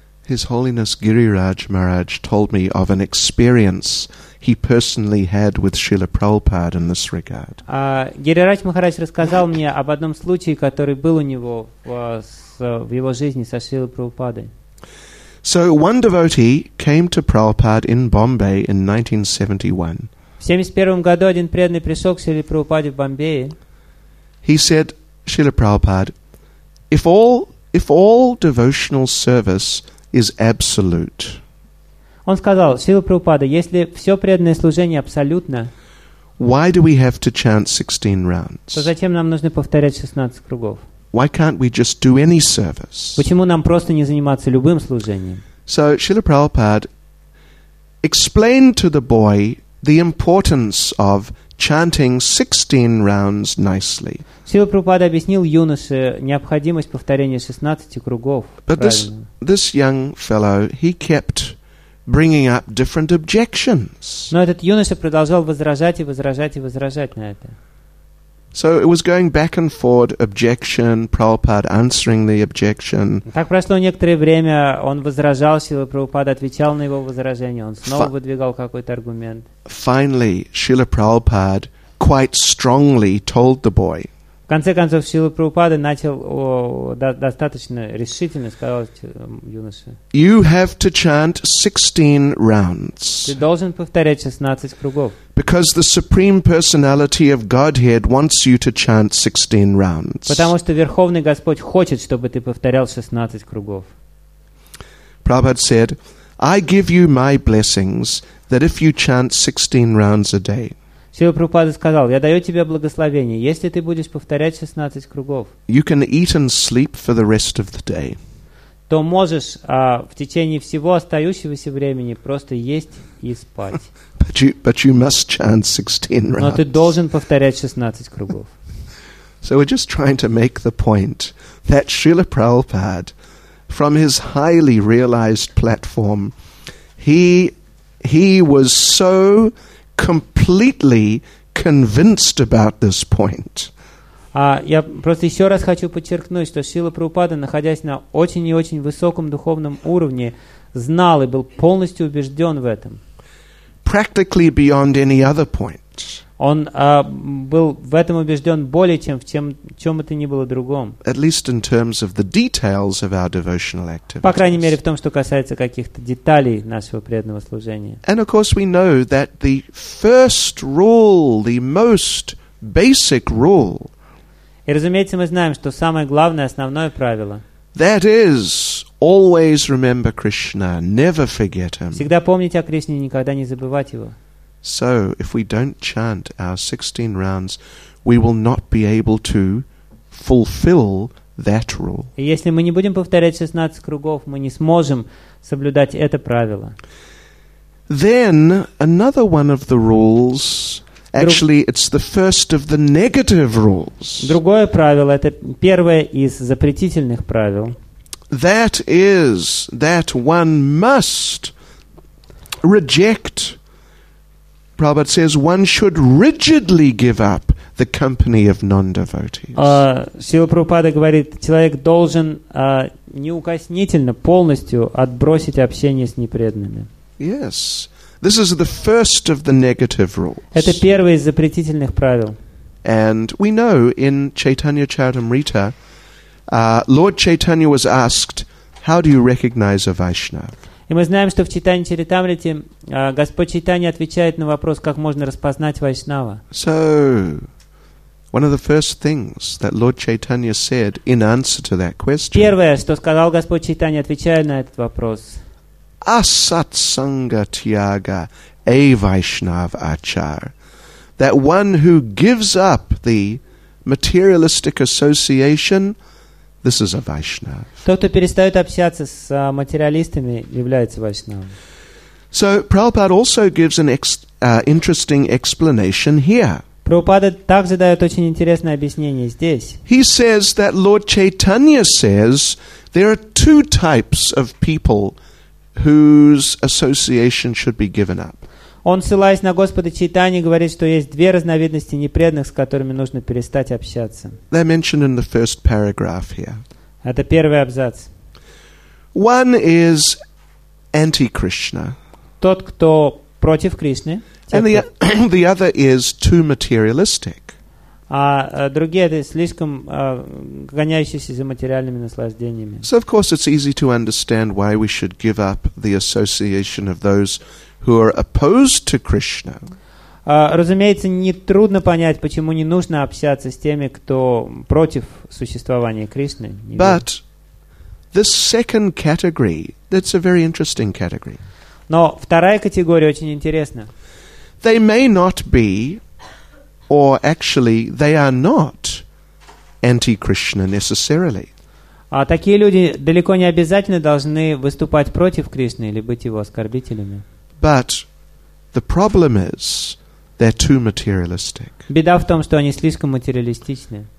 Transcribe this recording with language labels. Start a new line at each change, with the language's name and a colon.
English: His Holiness Giriraj Maharaj told me of an experience he personally had with Srila Prabhupada in this regard.
Russian: Giriraj Maharaj рассказал мне об одном случае, который был у него в его жизни со Шрилой Прабхупадой.
English: So one devotee came to Prabhupada in Bombay in 1971.
Russian: В 71 году один преданный пришел к Шриле Прабхупаде в Бомбее.
English: He said, Srila Prabhupada, if all devotional service is absolute.
Russian: Он сказал, Шрила Прабхупада, если все преданное служение абсолютно,
English: why do we have to chant 16 rounds?
Russian: То зачем нам нужно повторять 16 кругов?
English: Why can't we just do any service?
Russian: Почему нам просто не заниматься любым служением?
English: So Srila Prabhupada explained to the boy the importance of chanting 16 rounds nicely.
Russian: Шрила Прабхупада объяснил юноше необходимость повторения 16 кругов.
English: But this young fellow, he kept bringing up different objections.
Russian: Но этот юноша продолжал возражать и возражать и возражать на это.
English: So it was going back and forth, objection, Prabhupada answering the objection.
Russian: Так прошло некоторое время, он возражал, Шрила Прабхупада отвечал на его возражение, он снова выдвигал какой-то аргумент.
English: Finally, Srila Prabhupada quite strongly told the boy.
Russian: В конце концов, Шрила Прабхупада начал достаточно решительно сказал юноше.
English: You have to chant 16 rounds.
Russian: Ты должен повторять 16 кругов.
English: Because the Supreme Personality of Godhead wants you to chant 16 rounds.
Russian: Потому что Верховный Господь хочет, чтобы ты повторял 16 кругов.
English: Prabhupada said, I give you my blessings that if you chant 16 rounds a day.
Russian: Шрила Прабхупада сказал, я даю тебе благословение, если ты будешь повторять 16 кругов,
English: you can eat and sleep for the rest of the day.
Russian: То можешь в течение всего остающегося времени просто есть и спать.
English: But you must chant 16 rounds.
Russian: Но ты должен повторять 16 кругов.
English: So we're just trying to make the point that Srila Prabhupada, from his highly realized platform, he was so completely convinced about this point.
Russian: Я просто еще раз хочу подчеркнуть, что Шрила Прабхупада, находясь на очень и очень высоком духовном уровне, знал и был полностью убежден в этом.
English: Practically beyond any other point.
Russian: Он был в этом убежден более чем в чем это ни было другом.
English: At least in terms of the details of our devotional activities.
Russian: По крайней мере в том, что касается каких-то деталей нашего преданного служения.
English: And of course we know that the first rule, the most basic rule.
Russian: И разумеется, мы знаем, что самое главное, основное правило.
English: That is always remember Krishna, never forget him.
Russian: Всегда помнить о Кришне, никогда не забывать его.
English: So, if we don't chant our 16 rounds, we will not be able to fulfill that rule.
Russian: И если мы не будем повторять 16 кругов, мы не сможем соблюдать это правило.
English: Then, another one of the rules, actually, it's the first of the negative rules.
Russian: Другое правило, это первое из запретительных правил.
English: That is, that one must reject. Prabhupada says one should rigidly give up the company of non-devotees.
Russian: Шрила Прабхупада говорит, человек должен неукоснительно полностью отбросить общение с непреданными.
English: Yes. This is the first of the negative rules.
Russian: Это первое из запретительных правил.
English: And we know in Chaitanya Charitamrita, Lord Chaitanya was asked, how do you recognize a Vaishnava?
Russian: И мы знаем, что в Чайтанья Чаритамрите Господь Чайтанья отвечает на вопрос, как можно распознать вайшнава.
English: So, one of the first things that Lord Chaitanya said in answer to that question.
Russian: Первое, что сказал Господь Чайтанья, отвечая на этот вопрос.
Bangla: Асатсанга тьяга э вайшнав ачар.
English: That one who gives up the materialistic association this is a Vaishnava.
Russian: Тот, кто перестает общаться с материалистами, является Вайшнавом.
English: So Prabhupada also gives an interesting explanation here.
Russian: Прабхупада также дает очень интересное объяснение здесь.
English: He says that Lord Chaitanya says there are two types of people whose association should be given up.
Russian: Он, ссылаясь на Господа Чайтанью, говорит, что есть две разновидности непреданных, с которыми нужно перестать общаться.
English: They're mentioned in the first paragraph here.
Russian: Это первый абзац.
English: One is anti-Krishna.
Russian: Тот, кто против Кришны.
English: And the other is too materialistic.
Russian: А другие это слишком гоняющиеся за материальными наслаждениями.
English: So of course it's easy to understand why we should give up the association of those who are opposed to Krishna.
Russian: Разумеется, не трудно понять, почему не нужно общаться с теми, кто против существования Кришны.
English: But the second category, that's a very interesting category.
Russian: Но вторая категория очень интересна.
English: They may not be, or actually, they are not anti-Krishna necessarily.
Russian: А такие люди далеко не обязательно должны выступать против Кришны или быть его оскорбителями.
English: But the problem is they're too materialistic.
Russian: Беда в том, что они слишком материалистичны.